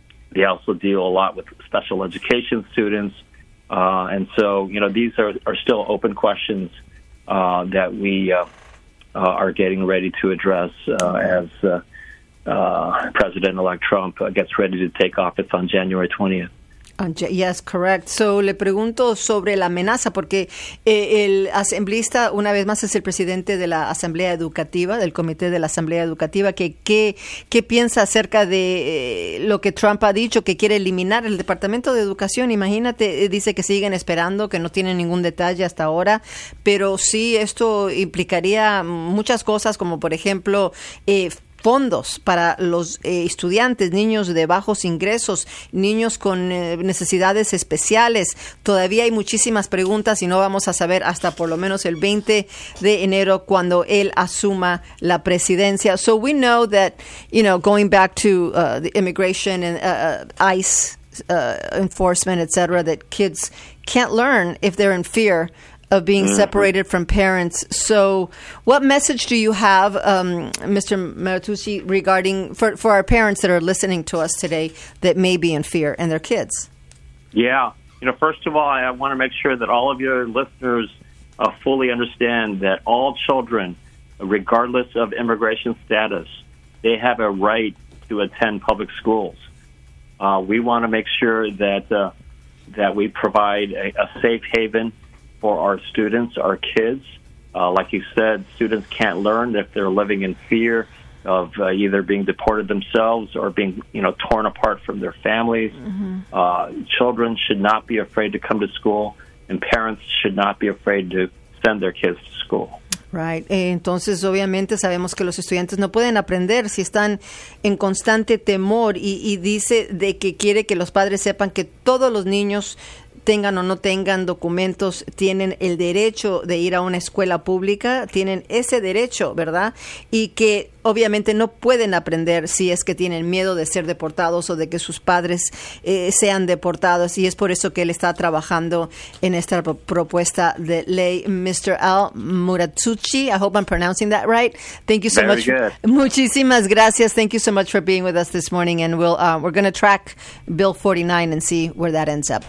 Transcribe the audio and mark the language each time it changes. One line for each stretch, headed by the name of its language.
English: They also deal a lot with special education students. And so, you know, these are still open questions that we are getting ready to address as President-elect Trump gets ready to take office on January 20th. Yes, correct.
Spanish: So, le pregunto sobre la amenaza, porque el asambleísta, una vez más, es el presidente de la Asamblea Educativa, del Comité de la Asamblea Educativa, que ¿qué piensa acerca de lo que Trump ha dicho, que quiere eliminar el Departamento de Educación? Imagínate, dice que siguen esperando, que no tienen ningún detalle hasta ahora, pero sí, esto implicaría muchas cosas, como por ejemplo, fondos para los estudiantes, niños de bajos ingresos, niños con necesidades especiales. Todavía hay muchísimas preguntas y no vamos a saber hasta por lo menos el 20 de enero cuando él asuma la presidencia.
English: So we know that, you know, going back to the immigration and ICE enforcement, etc., that kids can't learn if they're in fear of being separated from parents. So what message do you have, Mr. Maratucci, regarding for our parents that are listening to us today that may be in fear and their kids? Yeah. You know, first of all, I want to make sure that all of your listeners fully understand that all children, regardless of immigration status, they have a right to attend public schools. We want to make sure that that we provide a safe haven for our students, our kids. Like you said, students can't learn if they're living in fear of either being deported themselves or being, you know, torn apart from their families. Mm-hmm. Children should not be afraid to come to school, and parents should not be afraid to send their kids to school. Right.
Spanish: Entonces, obviamente, sabemos que los estudiantes no pueden aprender si están en constante temor y dice de que quiere que los padres sepan que todos los niños, tengan o no tengan documentos, tienen el derecho de ir a una escuela pública, tienen ese derecho, ¿verdad? Y que obviamente no pueden aprender si es que tienen miedo de ser deportados o de que sus padres sean deportados. Y es por eso que él está trabajando en esta propuesta de ley.
English: Mr. Al Muratucci, I hope I'm pronouncing that right. Thank you so very much. Good.
Spanish: Muchísimas gracias.
English: Thank you so much for being with us this morning. And we're going to track Bill 49 and see where that ends up.